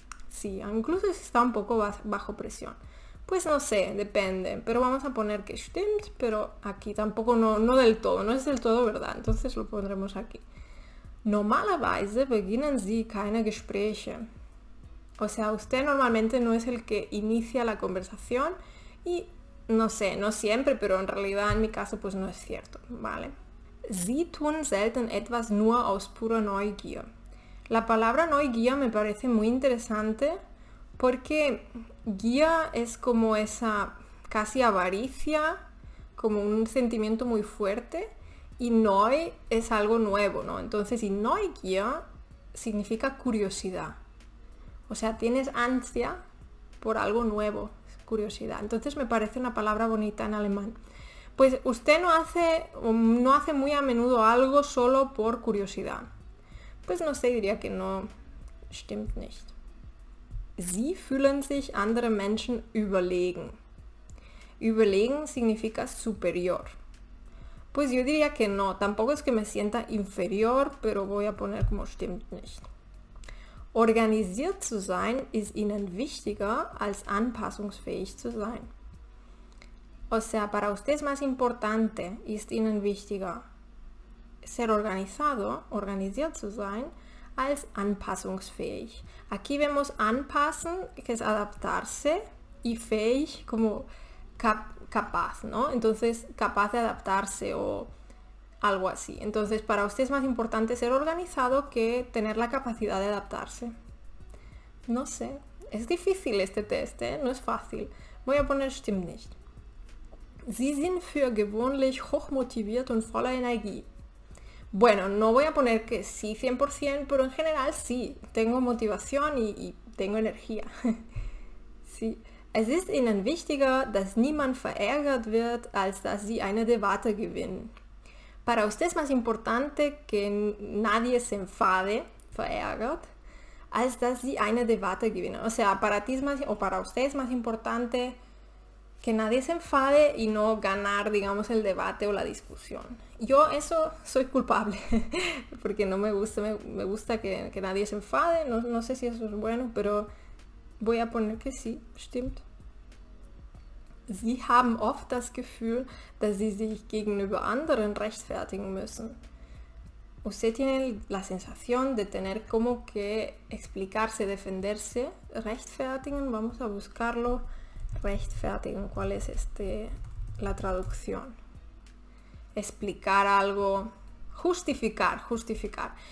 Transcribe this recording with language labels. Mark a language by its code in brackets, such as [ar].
[es] Sí, incluso si está un poco bajo presión. Pues no sé, depende, pero vamos a poner que stimmt, pero aquí tampoco no del todo, no es del todo verdad, entonces lo pondremos aquí. [de] Normalerweise beginnen Sie keine Gespräche. [es] O sea, usted normalmente no es el que inicia la conversación y no sé, no siempre, pero en realidad en mi caso pues no es cierto, ¿vale? [de] Sie tun selten etwas nur aus puro Neugier. [es] La palabra Neugier me parece muy interesante porque guía es como esa casi avaricia, como un sentimiento muy fuerte, y noi es algo nuevo, ¿no? Entonces, y Neugier significa curiosidad. O sea, tienes ansia por algo nuevo, curiosidad. Entonces, me parece una palabra bonita en alemán. Pues usted no hace muy a menudo algo solo por curiosidad. Pues no sé, diría que no, [de] stimmt nicht. Sie fühlen sich andere Menschen überlegen. [es] Überlegen significa superior. Pues yo diría que no, tampoco es que me sienta inferior, pero voy a poner como [de] stimmt nicht. Organisiert zu sein ist ihnen wichtiger als anpassungsfähig zu sein. [es] O sea, para usted es más importante, [de] ist ihnen wichtiger, [es] ser organizado, [de] organisiert zu sein, als anpassungsfähig. [es] Aquí vemos anpassen, que es adaptarse, y fähig, como capaz, ¿no? Entonces, capaz de adaptarse o algo así. Entonces, para usted es más importante ser organizado que tener la capacidad de adaptarse. No sé, Es difícil este test, ¿eh? No es fácil. Voy a poner [de] stimmt nicht. Sie sind für gewöhnlich hoch motiviert und voller Energie. [es] Bueno, no voy a poner que sí 100%, pero en general sí. Tengo motivación y tengo energía. Sí. [de] Es ist Ihnen wichtiger, dass niemand verärgert wird, als dass Sie eine Debatte gewinnen. [es] Para usted es más importante que nadie se enfade, verärgert, [de] als dass Sie eine Debatte gewinnen. [es] O sea, para ti es más, o para usted es más importante que nadie se enfade y no ganar, digamos, el debate o la discusión. Yo eso soy culpable, porque no me gusta, me gusta que nadie se enfade. No, no sé si eso es bueno, pero voy a poner que sí, stimmt. [de] Sie haben oft das Gefühl, dass Sie sich gegenüber anderen rechtfertigen müssen. [es] Usted tiene la sensación de tener como que explicarse, defenderse, rechtfertigen. Vamos a buscarlo. Rechtfertigen, ¿cuál es este, la traducción? Explicar algo, justificar, justificar.